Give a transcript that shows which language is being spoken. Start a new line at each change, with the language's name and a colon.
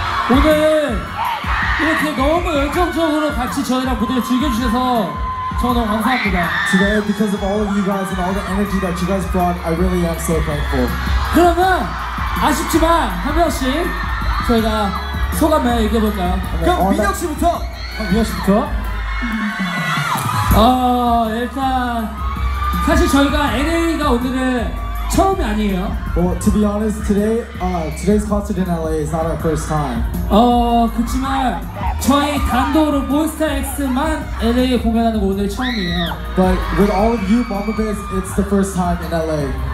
Korean: 오늘 이렇게 너무 열정적으로 같이 저희랑 무대를 즐겨주셔서 저 너무 감사합니다.
English: Today, because of all of you guys and all the energy that you guys brought, I really am so thankful.
Korean: 그러면 아쉽지만 한 명씩 저희가 소감을 얘기해볼까요? Okay, 그럼 민혁 씨부터! 민혁 씨부터? 일단 사실 저희가 NA가 오늘은 처음이 아니에요.
English: Well, to be honest, today's concert in LA is not our first time.
Korean: 그렇지만 저희 단독으로 몬스타엑스만 LA에 공연하는 거 오늘 처음이에요.
English: But with all of you, Mamba Bass, it's the first time in LA.